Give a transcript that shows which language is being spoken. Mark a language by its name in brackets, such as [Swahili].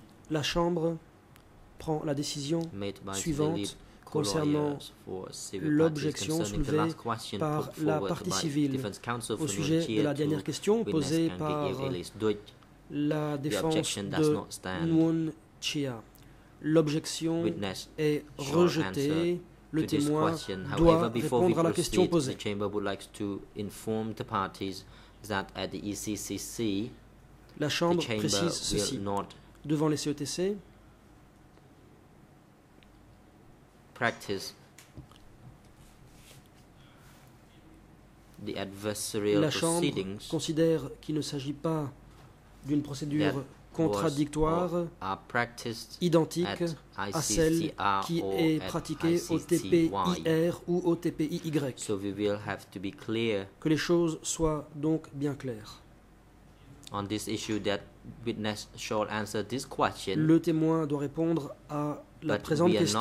[French] La Chambre prend la décision suivante concernant l'objection soulevée par la partie civile au sujet de la dernière question posée par la défense de Nguyen Chia. L'objection est rejetée. Le témoin doit répondre à la question posée. [English] The chamber would like to inform the parties that at the ECCC, [French] la Chambre précise ceci devant les CETC. [English] Practice the adversarial proceedings. [French] La Chambre considère qu'il ne s'agit pas d'une procédure contradictoire identique à celle qui est pratiquée au TPIR ou au TPIY. [English] So we will have to be clear. [French] Que les choses soient donc bien claires. [English] On this issue that witness shall answer this question. [French] Le témoin doit répondre à la présente question.